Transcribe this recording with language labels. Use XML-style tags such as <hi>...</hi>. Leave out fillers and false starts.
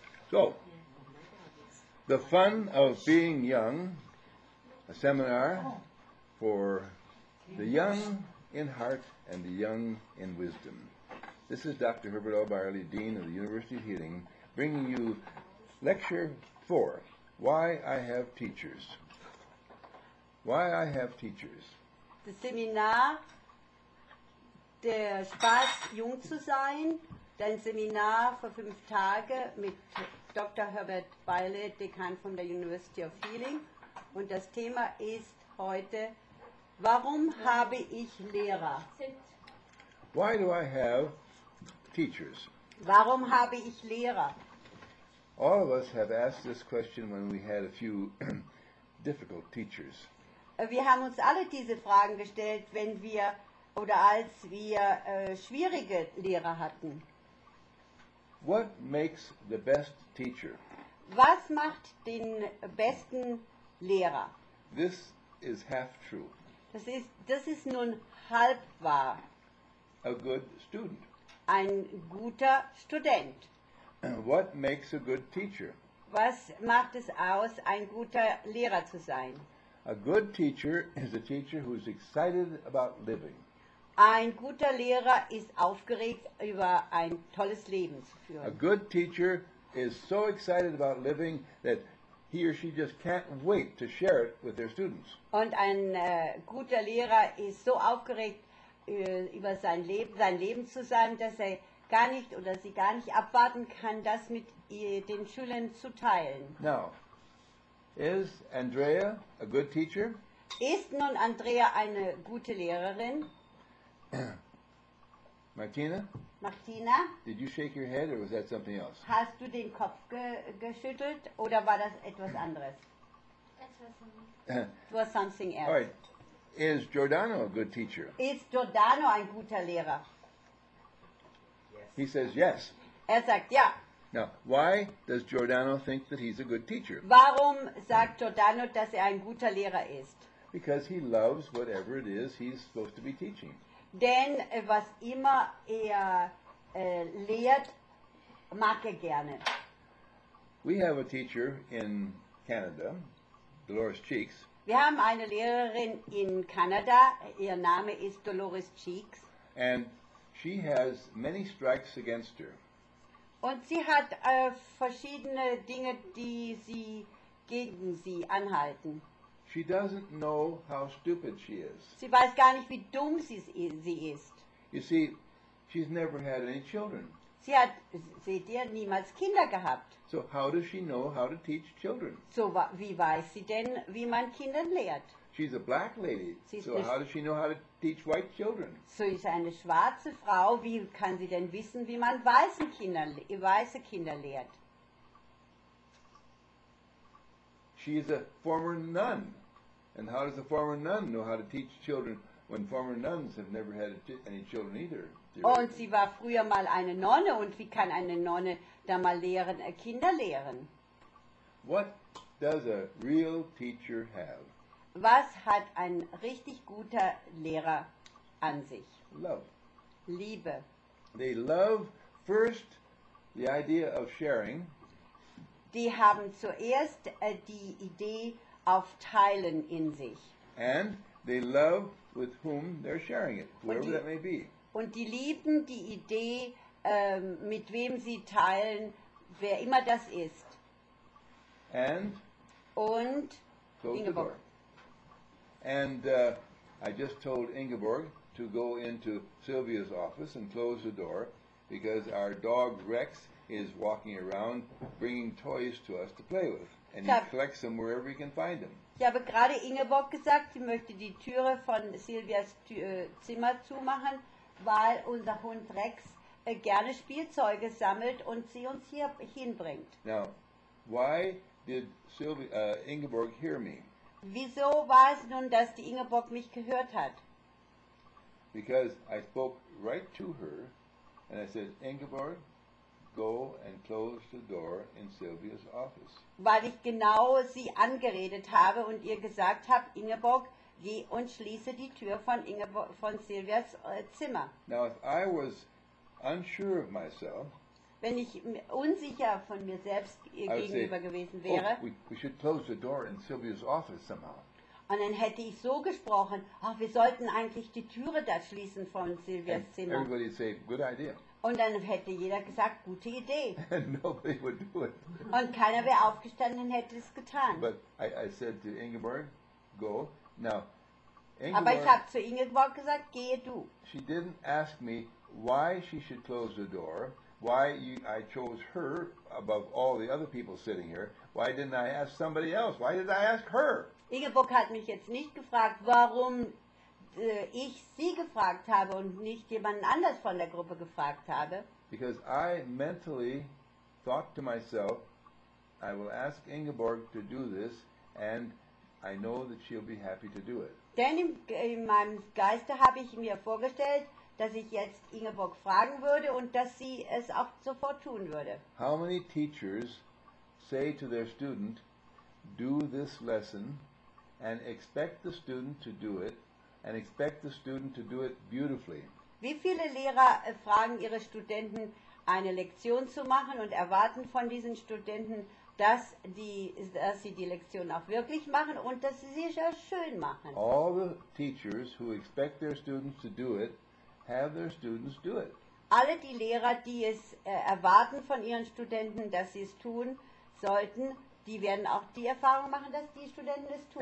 <en>So, the fun of being young, a seminar for the young in heart and the young in wisdom. This is Dr. Herbert L. Byerly, Dean of the University of Healing, bringing you Lecture 4, Why I Have Teachers. Why I Have Teachers.</en> <de>Das Seminar, der Spaß, jung zu sein. Dein Seminar vor 5 Tagen mit Dr. Herbert Byerly, Dekan von der University of Healing. Und das Thema ist heute, warum habe ich Lehrer?</de> <en>Why do I have teachers?</en> <de>Warum habe ich Lehrer?</de> <en>All of us have asked this question when we had a few difficult teachers.</en> <de>Wir haben uns alle diese Fragen gestellt, wenn wir oder als wir schwierige Lehrer hatten.</de> <en>What makes the best teacher?</en> <de>Was macht den besten Lehrer?</de> <en>This is half true.</en> <de>Das ist nun halb wahr.</de> <en>A good student.</en> <de>Ein guter Student.</de> <en>What makes a good teacher?</en> <de>Was macht es aus, ein guter Lehrer zu sein?</de> <en>A good teacher is a teacher who is excited about living.</en> <de>Ein guter Lehrer ist aufgeregt, über ein tolles Leben zu führen.</de> <en>A good teacher is so excited about living that he or she just can't wait to share it with their students.</en> <de>Und ein guter Lehrer ist so aufgeregt, über sein Leben zu sein, dass er gar nicht oder sie gar nicht abwarten kann, das mit den Schülern zu teilen.</de> <en>Now, is Andrea a good teacher?</en> <de>Ist nun Andrea eine gute Lehrerin? Martina?</de> <en>Did you shake your head or was that something else?</en> <de>Hast du den Kopf geschüttelt oder war das etwas anderes?</de> <en>It was something else. All right. Is Giordano a good teacher?</en> <de>Ist Giordano ein guter Lehrer?</de> <en>Yes. He says yes.</en> <de>Er sagt ja.</de> <en>Now, why does Giordano think that he's a good teacher?</en> <de>Warum sagt Giordano, dass er ein guter Lehrer ist?</de> <en>Because he loves whatever it is he's supposed to be teaching.</en> <de>Denn was immer er lehrt, mag er gerne.</de> <en>We have a teacher in Canada, Dolores Cheeks.</en> <de>Wir haben eine Lehrerin in Kanada, ihr Name ist Dolores Cheeks.</de> <en>And she has many strikes against her.</en> <de>Und sie hat verschiedene Dinge, die sie gegen sie anhalten.</de> <en>She doesn't know how stupid she is.</en> <de>Sie weiß gar nicht, wie dumm sie ist.</de> <en>You see, she's never had any children.</en> <de>Sie hat, seht ihr, niemals Kinder gehabt.</de> <en>So how does she know how to teach children?</en> <de>So wie weiß sie denn, wie man Kindern lehrt?</de> <en>She's a black lady. So how does she know how to teach white children?</en> <de>So ist eine schwarze Frau. Wie kann sie denn wissen, wie man weiße Kinder lehrt?</de> <en>She is a former nun. And how does a former nun know how to teach children when former nuns have never had any children either?</en> <de>Und sie war früher mal eine Nonne. Und wie kann eine Nonne da mal lehren, Kinder lehren?</de> <en>What does a real teacher have?</en> <de>Was hat ein richtig guter Lehrer an sich?</de> <en>Love.</en> <de>Liebe.</de> <en>They love first the idea of sharing.</en> <de>Die haben zuerst die Idee auf Teilen in sich.</de> <en>And they love with whom they're sharing it, whoever that may be.</en> <de>Und die lieben die Idee, mit wem sie teilen, wer immer das ist.</de> <en>And?</en> <de>Und? Ingeborg.</de> <en>And I just told Ingeborg to go into Sylvia's office and close the door because our dog Rex is walking around bringing toys to us to play with. And he collects them wherever he can find them.</en> <de>Ich habe gerade Ingeborg gesagt, sie möchte die Türe von Silvias Zimmer zumachen, weil unser Hund Rex gerne Spielzeuge sammelt und sie uns hier hinbringt.</de> <en>Now, why did Ingeborg hear me?</en> <de>Wieso war es nun, dass die Ingeborg mich gehört hat?</de> <en>Because I spoke right to her and I said, Ingeborg, go and close the door in Sylvia's office.</en> <de>Weil ich genau sie angeredet habe und ihr gesagt habe, Ingeborg, geh und schließe die Tür von Sylvias Zimmer.</de> <en>Now, if I was unsure of myself,</en> <de>wenn ich unsicher von mir selbst gegenüber gewesen wäre,</de> <en>we should close the door in Sylvia's office somehow.</en> <de>Und dann hätte ich so gesprochen, ach, wir sollten eigentlich die Türe da schließen von Sylvias Zimmer.</de> <en>Everybody say, good idea.</en> <de>Und dann hätte jeder gesagt, gute Idee.</de> <en>And nobody would do it.</en> <de>Und keiner wäre aufgestanden und hätte es getan.</de> <en>But I said to Ingeborg, go. Now,</en> <de>Ingeborg, aber ich habe zu Ingeborg gesagt, gehe du.</de> <en>She didn't ask me why she should close the door, why I chose her above all the other people sitting here, why didn't I ask somebody else, why did I ask her?</en> <de>Ingeborg hat mich jetzt nicht gefragt, warum ich sie gefragt habe und nicht jemanden anders von der Gruppe gefragt habe.</de> <en>Because I mentally thought to myself, I will ask Ingeborg to do this and I know that she'll be happy to do it.</en> <de>Denn in meinem Geiste habe ich mir vorgestellt, dass ich jetzt Ingeborg fragen würde und dass sie es auch sofort tun würde.</de> <en>How many teachers say to their student, do this lesson and expect the student to do it and expect the student to do it beautifully?</en> <de>Wie viele Lehrer fragen ihre Studenten, eine Lektion zu machen und erwarten von diesen Studenten, dass sie die Lektion auch wirklich machen und dass sie sie auch schön machen?</de> <en>All the teachers who expect their students to do it have their students do it.</en> <de>Alle die Lehrer, die es erwarten von ihren Studenten, dass sie es tun sollten, die werden auch die Erfahrung machen, dass die Studenten es tun.</de>